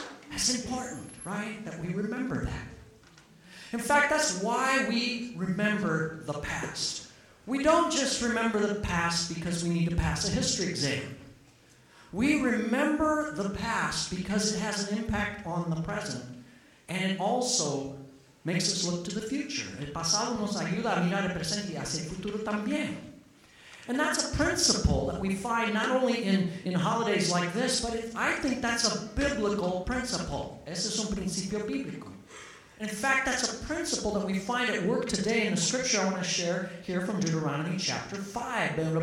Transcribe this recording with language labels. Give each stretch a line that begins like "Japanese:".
English: That's important, right? That we remember that. In fact, that's why we remember the past. We don't just remember the past because we need to pass a history exam. We remember the past because it has an impact on the present, and it also makes us look to the future.
Spanish: El pasado nos ayuda a mirar el presente y hacia el futuro también.
English: And that's a principle that we find not only in holidays like this, but I think that's a biblical principle.
Spanish: Ese es un principio bíblico.
English: In fact, that's a principle that we find at work today in the scripture I want to share here from Deuteronomy chapter 5.